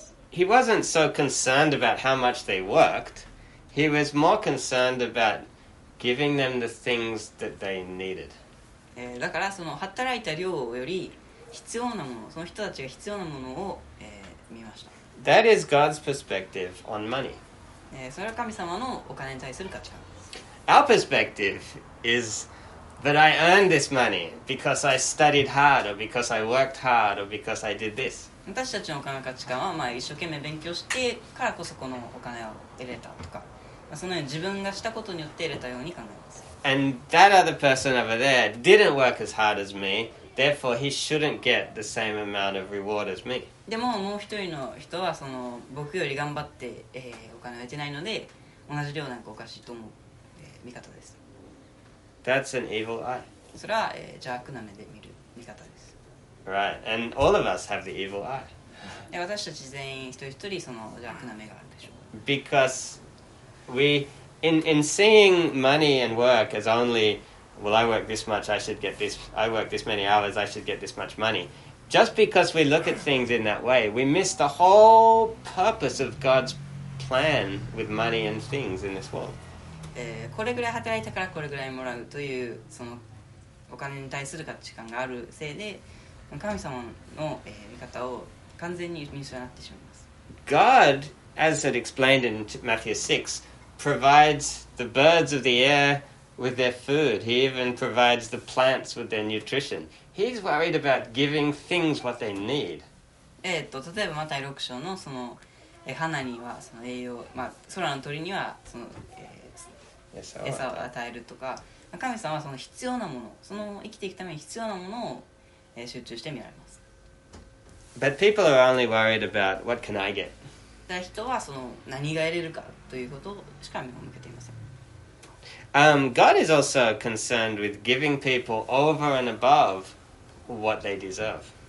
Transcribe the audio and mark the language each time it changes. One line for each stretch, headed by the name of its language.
English: He wasn't so concerned about how much they worked. He was more concerned about giving them the things that they needed.
Japanese: だからその働いた量より必要なもの、その人たちが必要なものを、見ました。
English: That is God's perspective on money.
Japanese: それは神様のお金に対する価値観です。
English: Our perspective is that I earned this money because I studied hard or because I worked hard or because I did this.
Japanese: 私たちのお金の価値観は、まあ、一生懸命勉強してからこそこのお金を得れたとか、まあ、そのように自分がしたことによって得れたように考えます。
English: And that other person over there didn't work as hard as me, therefore he shouldn't get the same amount of reward as me.
Japanese: でももう一人の人はその僕より頑張って、お金を得てないので同じ量なんかおかしいと思う、見方です。
English: That's an evil eye.
Japanese: それは、邪悪な目で見る見方です。
English: Right, and all of us have the evil eye.
Japanese: 私たち全員一人一人その邪悪な目があるでしょう。
English: Because we, in seeing money and work as only well, I work this much, I should get this, I work this many hours, I should get this much money. Just because we look at things in that way, we miss the whole purpose of God's plan with money and things in this world.
Japanese: これぐらい働いたからこれぐらいもらうというそのお金に対する価値観があるせいで神様の見方を完全に見失ってしまいます。
English: God, as it explained in Matthew 6, provides the birds of the air with their food. He even provides the plants with their nutrition. He's worried about giving things what they need.
Japanese: 例えばマタイ6章のその花にはその栄養、まあ、空の鳥にはその餌を与えるとか、神様はその必要なもの、その生きていくために必要なものを集中して見られます。
English: But people are only worried about what can I get.
Japanese: 人はその何が得れるかということしか目を向けていません。
English: God is also concerned with giving people over and above what they deserve.